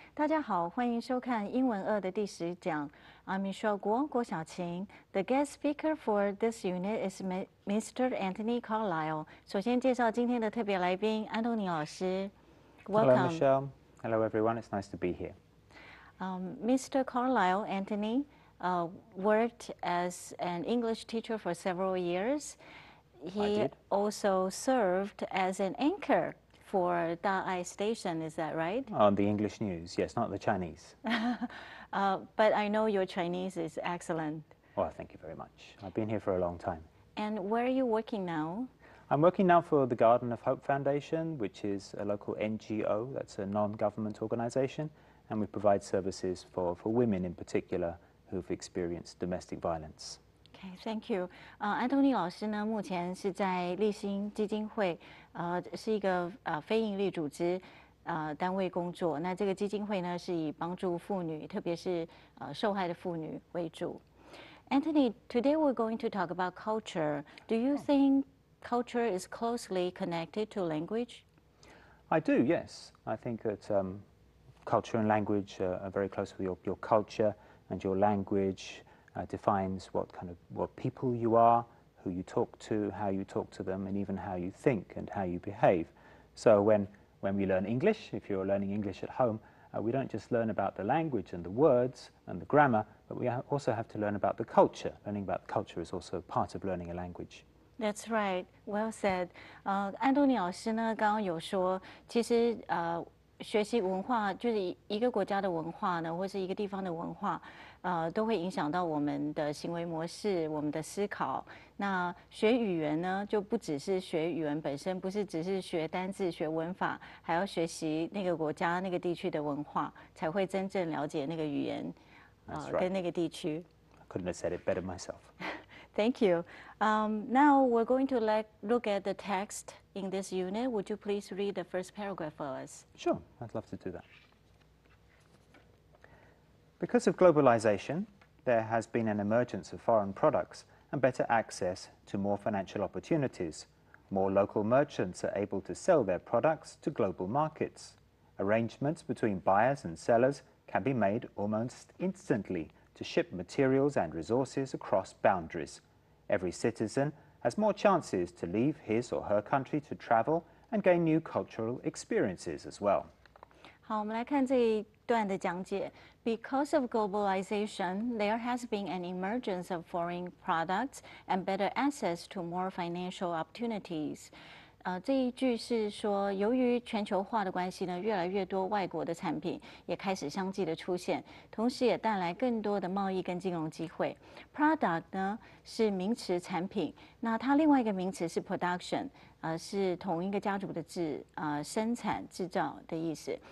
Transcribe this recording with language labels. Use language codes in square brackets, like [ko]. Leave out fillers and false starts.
[zh] 大家好，欢迎收看英文2的第十讲。 [en] I'm Michelle Guo, 郭小琴。 The guest speaker for this unit is Mr. Anthony Carlisle. [zh] 首先介绍今天的特别来宾安东尼老师。 [en] Welcome. Hello, Michelle. Hello, everyone. It's nice to be here. Mr. Carlisle, Anthony, worked as an English teacher for several years. He also served as an anchor for Da'ai Station, is that right? On the English news, yes, not the Chinese. but I know your Chinese is excellent. Well, thank you very much. I've been here for a long time. And where are you working now? I'm working now for the Garden of Hope Foundation, which is a local NGO, that's a non-government organization, and we provide services for women in particular who've experienced domestic violence. Thank you. [zh] 安东尼老师呢，目前是在立新基金会，是一个非营利组织，单位工作。那这个基金会呢，是以帮助妇女，特别是受害的妇女为主。 [en] Anthony, today we're going to talk about culture. Do you think culture is closely connected to language? I do. Yes, I think that culture and language are very close with your culture and your language. Defines what people you are, who you talk to, how you talk to them, and even how you think and how you behave. So when we learn English, if you're learning English at home, we don't just learn about the language and the words and the grammar, but we also have to learn about the culture. Learning about the culture is also part of learning a language. That's right. Well said. [zh] 安东尼老师呢，刚刚有说，其实学习文化就是一个国家的文化呢，或是一个地方的文化。都会影响到我们的行为模式，我们的思考。那学语言呢，就不只是学语言本身，不是只是学单字、学文法，还要学习那个国家、那个地区的文化，才会真正了解那个语言，跟那个地区。 [en] I couldn't have said it better myself. Thank you. Now we're going to look at the text in this unit. Would you please read the first paragraph for us? Sure, I'd love to do that. Because of globalization, there has been an emergence of foreign products and better access to more financial opportunities. More local merchants are able to sell their products to global markets. Arrangements between buyers and sellers can be made almost instantly to ship materials and resources across boundaries. Every citizen has more chances to leave his or her country to travel and gain new cultural experiences as well. [zh] 好，我们来看这一段的讲解。 [en] Because of globalization, there has been an emergence of foreign products and better access to more financial opportunities. [zh] 这一句是说，由于全球化的关系呢，越来越多外国的产品也开始相继的出现，同时也带来更多的贸易跟金融机会。 Product 呢是名词，产品。那它另外一个名词是 production。是同一个家族的字，生产制造的意思。